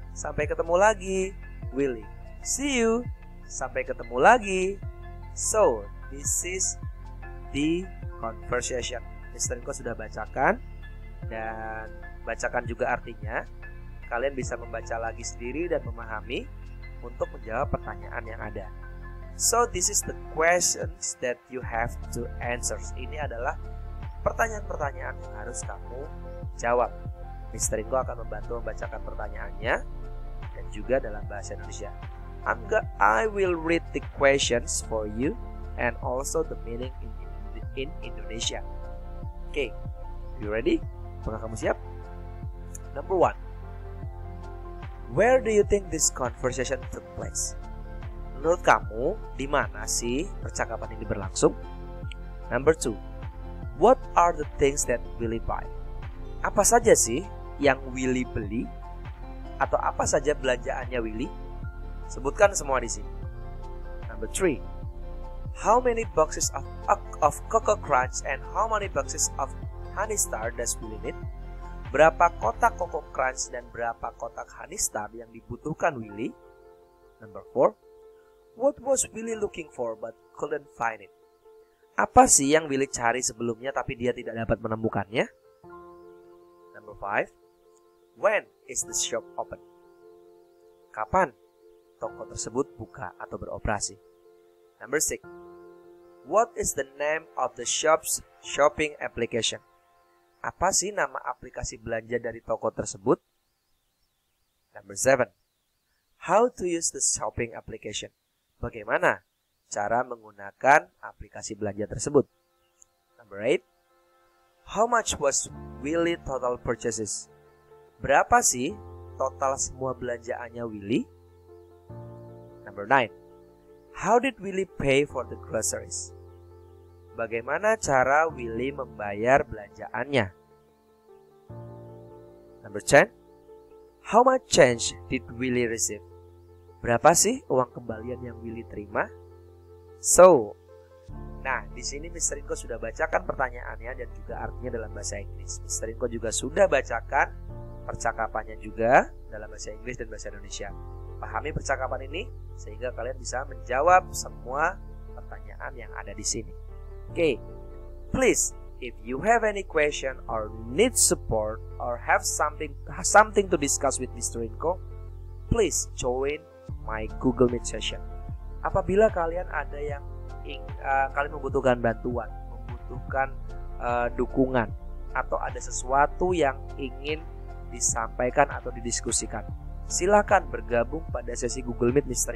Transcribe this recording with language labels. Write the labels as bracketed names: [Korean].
[Indonesian] Sampai ketemu lagi. Willy, [English] see you. [Indonesian] Sampai ketemu lagi. [English] So, this is the conversation. Mr. [Indonesian] Nko sudah bacakan. Dan bacakan juga artinya. Kalian bisa membaca lagi sendiri dan memahami untuk menjawab pertanyaan yang ada. [English] So, this is the questions that you have to answer. [Indonesian] Ini adalah pertanyaan-pertanyaan yang harus kamu jawab. Mr. Nko akan membantu membacakan pertanyaannya dan juga dalam bahasa Indonesia. [English] I will read the questions for you and also the meaning in Indonesia. Okay, you ready? [Indonesian] Apakah kamu siap? [English] Number one, where do you think this conversation took place? [Indonesian] Menurut kamu, di mana sih percakapan ini berlangsung? [English] Number two, what are the things that Willy buy? [Indonesian] Apa saja sih yang Willy beli? Atau apa saja belanjaannya Willy? Sebutkan semua di sini. [English] Number three, how many boxes of Cocoa Crunch and how many boxes of Honey Star does Willy need? [Indonesian] Berapa kotak Cocoa Crunch dan berapa kotak Honey Star yang dibutuhkan Willy? [English] Number four, what was Willy looking for but couldn't find it? [Indonesian] Apa sih yang Willy cari sebelumnya tapi dia tidak dapat menemukannya? [English] Number five, when is the shop open? [Indonesian] Kapan toko tersebut buka atau beroperasi? [English] Number six, what is the name of the shop's shopping application? [Indonesian] Apa sih nama aplikasi belanja dari toko tersebut? [English] Number 7. How to use the shopping application? [Indonesian] Bagaimana cara menggunakan aplikasi belanja tersebut? [English] Number 8. How much was Willy total purchases? [Indonesian] Berapa sih total semua belanjaannya Willy? [English] Number 9. How did Willy pay for the groceries? [Indonesian] Bagaimana cara Willy membayar belanjaannya? [English] Number 10, how much change did Willy receive? [Indonesian] Berapa sih uang kembalian yang Willy terima? So, nah di sini Mr. Inko sudah bacakan pertanyaannya dan juga artinya dalam bahasa Inggris. Mr. Inko juga sudah bacakan percakapannya juga dalam bahasa Inggris dan bahasa Indonesia. Pahami percakapan ini sehingga kalian bisa menjawab semua pertanyaan. pertanyaan yang ada di sini. [English] Oke, please, if you have any question or need support or have something to discuss with Mr. Rinko, please join my Google Meet session. [Indonesian] Apabila kalian ada yang kalian membutuhkan bantuan, membutuhkan dukungan, atau ada sesuatu yang ingin disampaikan atau didiskusikan, silakan bergabung pada sesi Google Meet Mr.